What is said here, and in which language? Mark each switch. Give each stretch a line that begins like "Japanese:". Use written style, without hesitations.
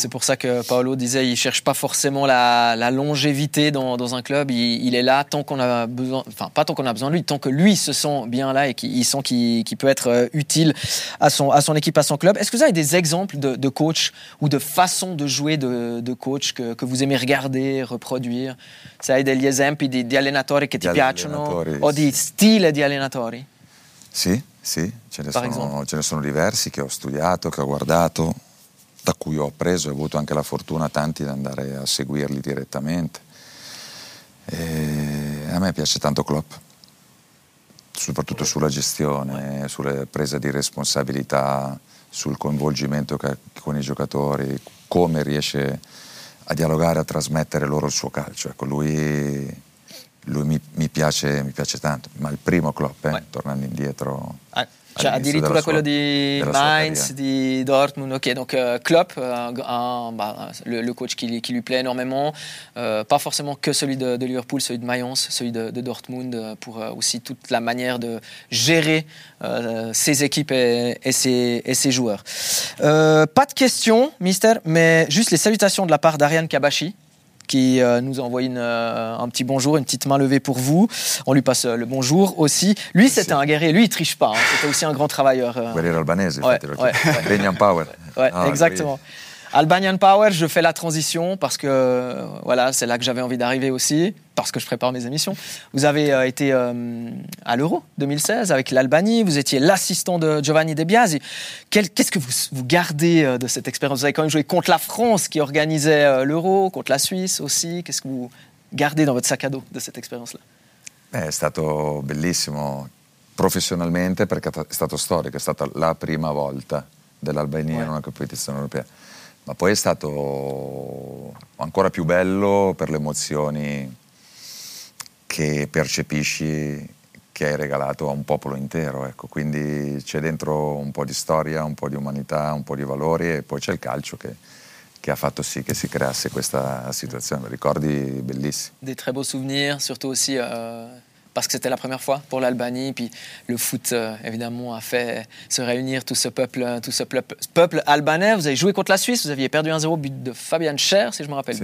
French: C'est pour ça que Paolo disait, il cherche pas forcément la longévité dans un club. Il est là tant qu'on a besoin, enfin pas tant qu'on a besoin de lui, tant que lui se sent bien là et qu'il sent qu'il peut être utile à son équipe, à son club. Est-ce que vous avez des exemples de coach ou de façon de jouer de coach que vous aimez regarder, reproduire? Vous avez des exemples
Italian: di allenatori che ti piacciono o di stile di allenatori? Sì. Sì, ce ne sono diversi che ho studiato, che ho guardato, da cui ho appreso e ho avuto anche la fortuna tanti di andare a seguirli direttamente. E a me piace tanto Klopp, soprattutto sulla gestione, sulla presa di responsabilità, sul coinvolgimento con i giocatori, come riesce a dialogare, a trasmettere loro il suo calcio. Ecco, lui, lui mi piace tanto, ma il primo Klopp, ouais. Tornando indietro. Cioè, addirittura quello di Mainz, di Dortmund,
French: ok, donc Klopp, le coach qui lui plaît énormément, pas forcément que celui de Liverpool, celui de Mayence, celui de Dortmund, pour aussi toute la manière de gérer ses équipes et ses joueurs. Pas de questions, mister, mais juste les salutations de la part d'Ariane Kabashi, qui nous envoie un petit bonjour, une petite main levée pour vous. On lui passe le bonjour aussi. Lui, c'était un guerrier. Lui, il ne triche pas. Hein. C'était aussi un grand travailleur.
Italian: Guerriero albanese. Ouais.
English: Albanian power.
French: Ouais, exactement. Oui. Albanian power, je fais la transition parce que voilà, c'est là que j'avais envie d'arriver aussi, parce que je prépare mes émissions. Vous avez été à l'Euro 2016 avec l'Albanie. Vous étiez l'assistant de Giovanni De Biasi. Qu'est-ce que vous gardez de cette expérience? Vous avez quand même joué contre la France qui organisait l'Euro, contre la Suisse aussi. Qu'est-ce que vous gardez dans votre sac à dos de cette expérience-là?
Italian: È stato bellissimo
French: professionnellement, parce que c'est
Italian: stato storico. È stata la prima volta dell'Albania in una competizione europea. Ma poi è stato ancora più bello per le emozioni che percepisci, che hai regalato a un popolo intero, ecco. Quindi c'è dentro un po' di storia, un po' di umanità, un po' di valori, e poi c'è il calcio che ha fatto sì che si creasse questa situazione. Ricordi bellissimi.
French: Des très beaux souvenirs, surtout aussi parce que c'était la première fois pour l'Albanie, puis le foot évidemment a fait se réunir tout ce peuple albanais. Vous avez joué contre la Suisse, vous aviez perdu 1-0, but de Fabian Scher, si je me rappelle si.